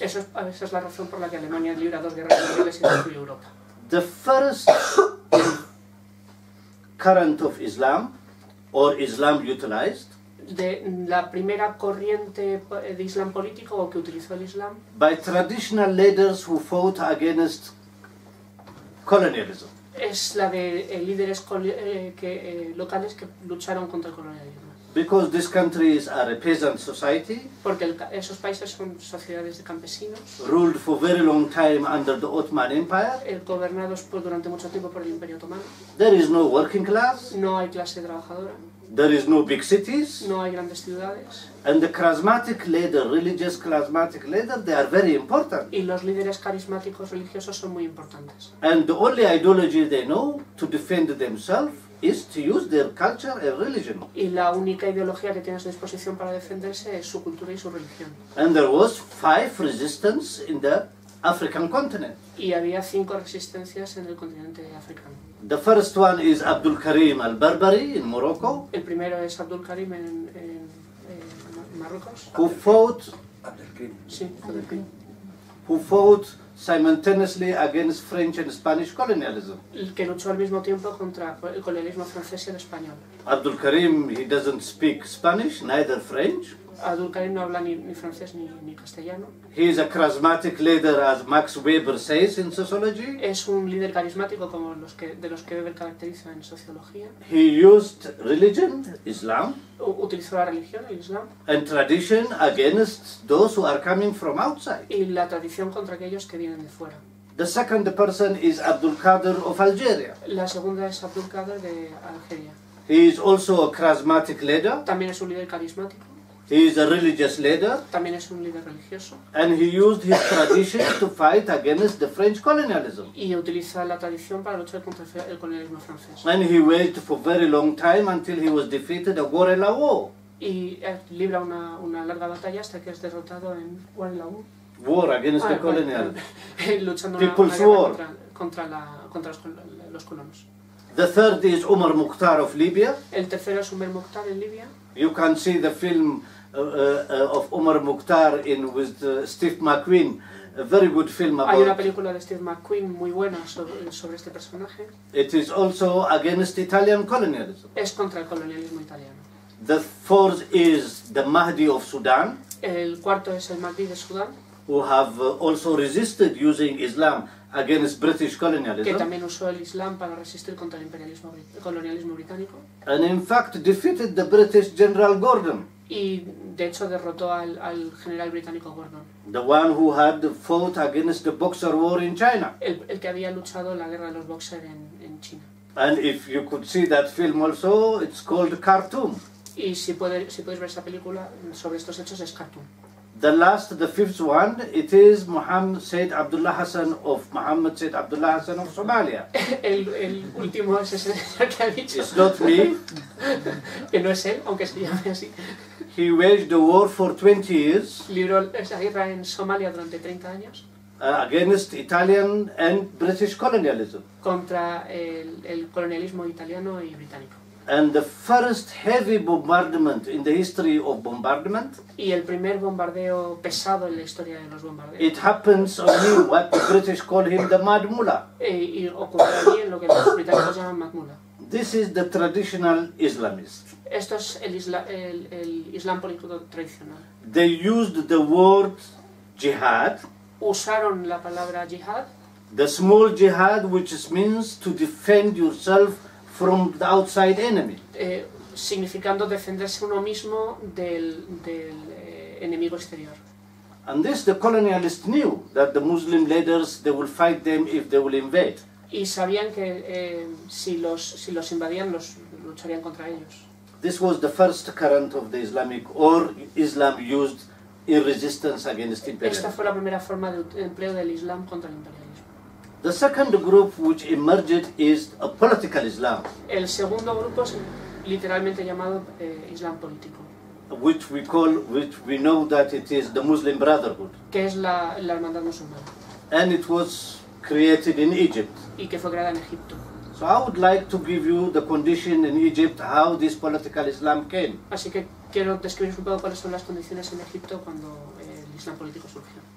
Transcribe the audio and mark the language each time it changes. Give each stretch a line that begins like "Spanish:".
Spanish: Esa es la razón por la que Alemania libra dos guerras mundiales y destruye Europa.
English: The first current of Islam, or Islam utilized.
Spanish: De la primera corriente de Islam político o que utilizó el Islam.
English: By traditional leaders who fought against colonialism.
Spanish: Es la de líderes locales que lucharon contra el colonialismo.
English: Because these countries are a peasant society.
Spanish: Porque esos países son sociedades de campesinos.
English: Ruled for very long time under the Ottoman Empire.
Spanish: Gobernados durante mucho tiempo por el Imperio Otomano.
English: There is no working class.
Spanish: No hay clase trabajadora.
English: There is no big cities.
Spanish: No hay grandes ciudades.
English: And the charismatic leader, religious charismatic leader, they are very important.
Spanish: Y los líderes carismáticos religiosos son muy importantes.
English: And the only ideology they know to defend themselves is to use their culture and religion.
Spanish: Y la única ideología que tienen a su disposición para defenderse es su cultura y su religión.
English: And there was five resistance in the African continent.
Spanish: Y había cinco resistencias en el continente africano.
English: The first one is Abdul Karim al-Barbari in Morocco.
Spanish: El primero es Abdul Karim en Marruecos.
English: Who fought Abdul Karim. Who fought simultaneously against French and Spanish colonialism.
Spanish: Que luchó al mismo tiempo contra el colonialismo francés y el español.
English: Abdul Karim, he doesn't speak Spanish, neither French.
Spanish: Abdul Karim no habla ni francés ni castellano.
English: He is a charismatic leader, as Max Weber says in sociology.
Spanish: Es un líder carismático como los que Weber caracteriza en sociología.
English: He used religion, Islam.
Spanish: Utilizó la religión, el Islam.
English: And tradition against those who are coming from outside.
Spanish: Y la tradición contra aquellos que vienen de fuera.
English: The second person is Abdul Qader of Algeria.
Spanish: La segunda es Abdul Qader de Algeria.
English: He is also a charismatic leader.
Spanish: También es un líder carismático.
English: He is a religious leader.
Spanish: También es un líder religioso.
English: And he used his tradition to fight against the French colonialism.
Spanish: Y utiliza la tradición para luchar contra el colonialismo francés.
English: And he waited for very long time until he was defeated at Gorelau.
Spanish: Y libra una larga batalla hasta que es derrotado en Gorelau.
English: War against the colonial.
Spanish: Luchando
English: People's
Spanish: una
English: war.
Spanish: contra los colonos.
English: The third is Umar Mukhtar of Libya.
Spanish: El tercero es Umar Mukhtar en Libia.
English: You can see the film of Umar Mukhtar with Steve McQueen, a very good film about.
Spanish: Hay una película de Steve McQueen muy buena sobre este personaje.
English: It is also against Italian colonialism.
Spanish: Es contra el colonialismo italiano.
English: The fourth is the Mahdi of Sudan.
Spanish: El cuarto es el Mahdi de Sudán.
English: Who have also resisted using Islam against British colonialism.
Spanish: Que también usó el Islam para resistir contra el imperialismo colonialismo británico.
English: And in fact defeated the British General Gordon.
Spanish: Y de hecho derrotó al general británico Gordon.
English: The one who had fought against the Boxer War in China.
Spanish: El que había luchado la guerra de los Boxer en China.
English: And if you could see that film also, it's called Khartoum.
Spanish: Y si podéis ver esa película sobre estos hechos es Khartoum.
English: The last, the fifth one, it is Muhammad Said Abdullah Hassan of Muhammad Said Abdullah Hassan of Somalia.
Spanish: El último es ese que ha dicho.
English: It's not me.
Spanish: Que no es él, aunque se llame así.
English: He waged the war for 20 years.
Spanish: Libró esa guerra en Somalia durante 30 años.
English: Against Italian and British colonialism.
Spanish: Contra el colonialismo italiano y británico.
English: And the first heavy bombardment in the history of bombardment.
Spanish: Y el primer bombardeo pesado en la historia de los bombardeos.
English: It happens on you, what the British call him the Mad Mullah.
Spanish: Y ocurre allí en lo que los británicos llaman Mad Mullah.
English: This is the traditional Islamist.
Spanish: Esto es el Islam político tradicional.
English: They used the word jihad.
Spanish: Usaron la palabra jihad.
English: The small jihad, which means to defend yourself from the outside enemy.
Spanish: Significando defenderse uno mismo del enemigo exterior.
English: And this the colonialists knew, that the Muslim leaders, they will fight them if they will invade.
Spanish: Y sabían que si los invadían, los lucharían contra ellos.
English: This was the first current of the Islamic, or Islam used in resistance against imperialism.
Spanish: Esta fue la primera forma de empleo del Islam contra el imperialismo.
English: The second group which emerged is a political Islam.
Spanish: El segundo grupo es literalmente llamado Islam político.
English: Which we know that it is the Muslim Brotherhood.
Spanish: Que es la hermandad musulmana.
English: And it was created in Egypt.
Spanish: Y que fue creada en Egipto.
English: So I would like to give you the condition in Egypt how this political Islam came.
Spanish: Así que quiero describir un poco cuáles son las condiciones en Egipto cuando el Islam político surgió.